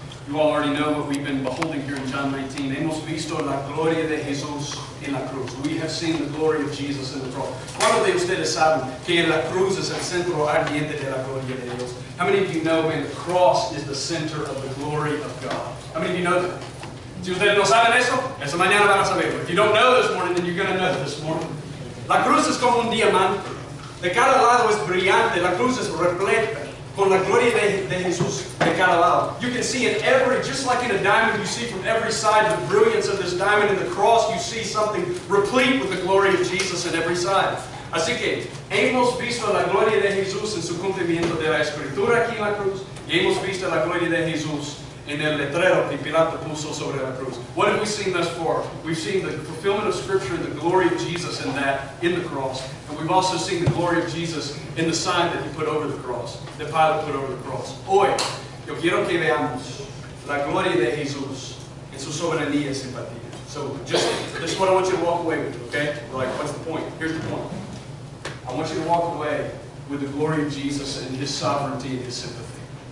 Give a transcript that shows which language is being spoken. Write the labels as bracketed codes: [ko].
[en] You all already know what we've been beholding here in John 19. [es] Hemos visto la gloria de Jesús en la cruz. [en] We have seen the glory of Jesus in the cross. [es] ¿Cuántos de ustedes saben que en la cruz es el centro ardiente de la gloria de Dios? [en] How many of you know when the cross is the center of the glory of God? How many of you know that? [es] Si ustedes no saben eso, esa mañana van a saberlo. [en] If you don't know this morning, then you're going to know this morning. [es] La cruz es como un diamante. De cada lado es brillante. La cruz es repleta con la gloria de Jesús de cada lado. [en] You can see in every, just like in a diamond, you see from every side the brilliance of this diamond. In the cross, you see something replete with the glory of Jesus at every side. [es] Así que, hemos visto la gloria de Jesús en su cumplimiento de la Escritura aquí en la cruz. Y hemos visto la gloria de Jesús en el letrero que Pilato puso sobre la cruz. [en] What have we seen thus far? We've seen the fulfillment of Scripture and the glory of Jesus in that, in the cross. And we've also seen the glory of Jesus in the sign that he put over the cross, that Pilate put over the cross. [es] Hoy, yo quiero que veamos la gloria de Jesús en su soberanía y simpatía. [en] So, just this is what I want you to walk away with, okay? Like, what's the point? Here's the point. I want you to walk away with the glory of Jesus and his sovereignty and his sympathy.